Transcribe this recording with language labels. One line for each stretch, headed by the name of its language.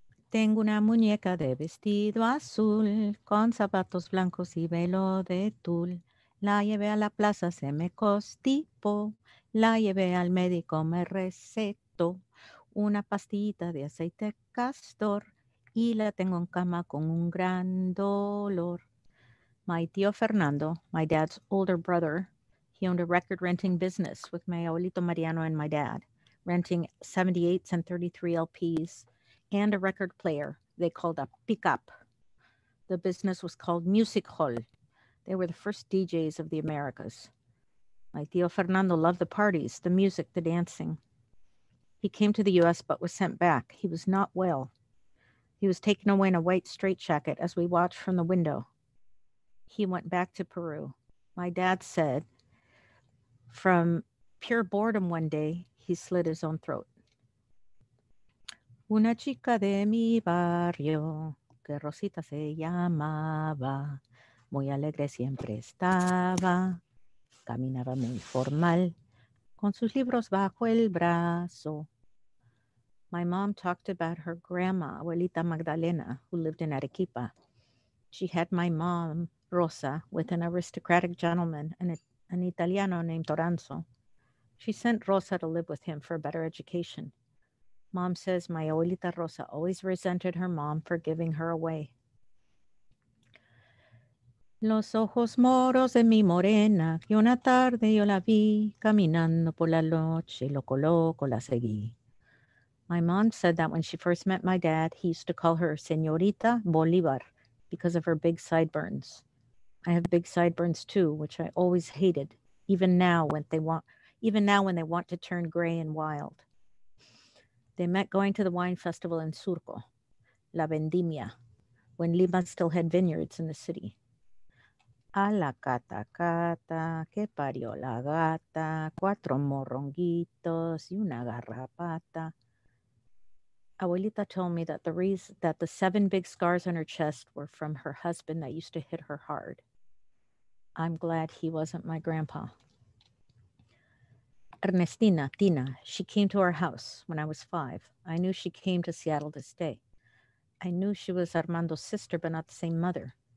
Spanish: Tengo una muñeca de vestido azul, con zapatos blancos y velo de tul. La llevé a la plaza, se me costipó. La llevé al médico, me recetó una pastillita de aceite castor y la tengo en cama con un gran dolor.
English: My tío Fernando, my dad's older brother, he owned a record renting business with my abuelito Mariano and my dad, renting 78s and 33 LPs and a record player they called a pickup. The business was called Music Hall. They were the first DJs of the Americas. My tío Fernando loved the parties, the music, the dancing. He came to the U.S. but was sent back. He was not well. He was taken away in a white straitjacket as we watched from the window. He went back to Peru. My dad said, from pure boredom one day, he slit his own throat.
Spanish: Una chica de mi barrio, que Rosita se llamaba, muy alegre siempre estaba. Caminaba muy formal, con sus libros bajo el brazo.
English: My mom talked about her grandma, Abuelita Magdalena, who lived in Arequipa. She had my mom, Rosa, with an aristocratic gentleman, an Italiano named Toranzo. She sent Rosa to live with him for a better education. Mom says my Abuelita Rosa always resented her mom for giving her away.
Spanish: Los ojos moros de mi morena, que una tarde yo la vi, caminando por la noche, loco loco la seguí.
English: My mom said that when she first met my dad, he used to call her Señorita Bolívar because of her big sideburns. I have big sideburns too, which I always hated, even now when they want to turn gray and wild. They met going to the wine festival in Surco, La Vendimia, when Lima still had vineyards in the city.
Spanish: A la cata cata, que parió la gata, cuatro morronguitos y una garrapata.
English: Abuelita told me that the seven big scars on her chest were from her husband that used to hit her hard. I'm glad he wasn't my grandpa. Ernestina, Tina, she came to our house when I was 5. I knew she came to Seattle to stay. I knew she was Armando's sister, but not the same mother.